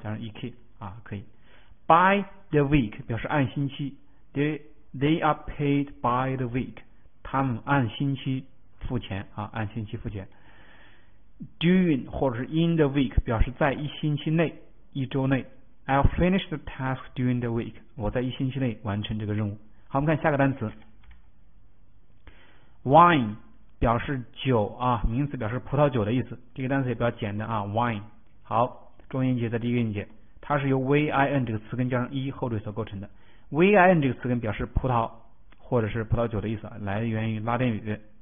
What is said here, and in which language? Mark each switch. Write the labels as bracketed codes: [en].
[zh] 加上 e k 啊，可以。 [en] by the week [zh] 表示按星期， [en] they are paid by the week， [zh] 他们按星期付钱啊，按星期付钱。 during 或者是 [en] in the week [zh] 表示在一星期内，一周内。 [en] I'll finish the task during the week， [zh] 我在一星期内完成这个任务。好，我们看下个单词。 Wine 表示酒啊，名词表示葡萄酒的意思。这个单词也比较简单啊，wine。好，重音节在第一个音节，它是由 vin 这个词根加上 e 后缀所构成的。 vin 这个词根表示葡萄或者是葡萄酒的意思，来源于拉丁语。